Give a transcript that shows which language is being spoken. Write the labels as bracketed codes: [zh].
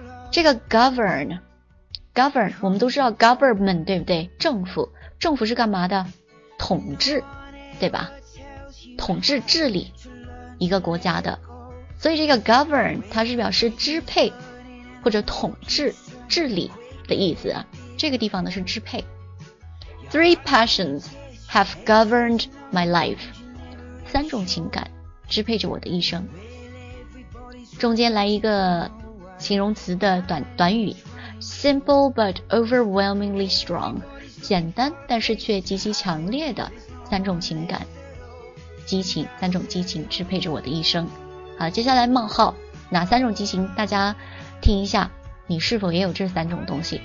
[zh] 这个 govern 我们都知道 government 对不对，政府是干嘛的？统治对吧，统治治理一个国家的，所以这个 govern 它是表示支配或者统治治理的意思，这个地方呢是支配。 [en] Three passions have governed my life， [zh] 三种情感支配着我的一生。中间来一个形容词的 短语 [en] Simple but overwhelmingly strong， [zh] 简单但是却极其强烈的三种情感激情，三种激情支配着我的一生。好，接下来冒号，哪三种激情？大家听一下，你是否也有这三种东西？